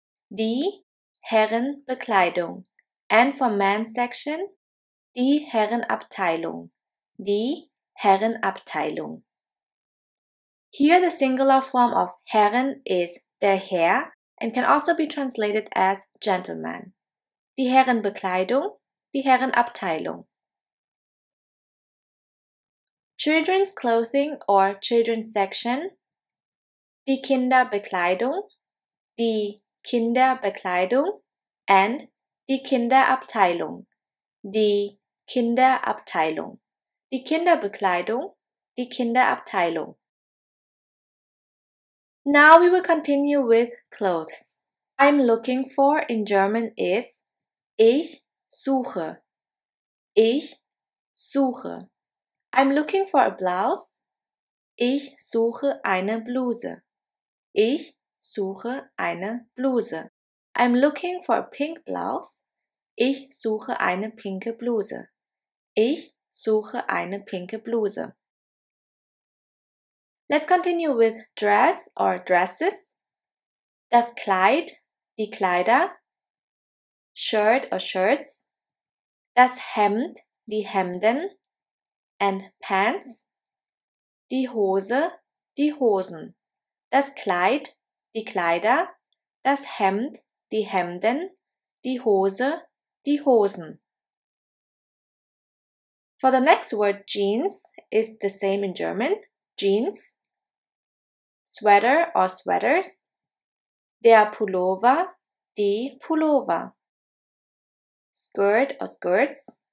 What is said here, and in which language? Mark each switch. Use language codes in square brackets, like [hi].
[de] Die Herrenbekleidung. [en] And for men's section, [de] die Herrenabteilung. Die Herrenabteilung. [en] Here the singular form of Herren is der Herr and can also be translated as gentleman. [de] Die Herrenbekleidung, die Herrenabteilung. [en] Children's clothing or children's section, [de] die Kinderbekleidung, die Kinderbekleidung. And die Kinderabteilung, die Kinderabteilung. Die Kinderbekleidung, die Kinderabteilung. [en] Now we will continue with clothes. I'm looking for in German is [de] ich suche. Ich suche. [en] I'm looking for a blouse. [de] Ich suche eine Bluse. Ich suche eine Bluse. [en] I'm looking for a pink blouse. [de] Ich suche eine pinke Bluse. Ich suche eine pinke Bluse. [en] Let's continue with dress or dresses. [de] Das Kleid, die Kleider. [en] Shirt or shirts. [de] Das Hemd, die Hemden. [en] And pants. [de] Die Hose, die Hosen. Das Kleid, die Kleider. Das Hemd. Die Hemden, die Hose, die Hosen. [en] For the next word, jeans is the same in German. Jeans. Sweater or sweaters. [de] Der Pullover, die Pullover. [en] Skirt or skirts.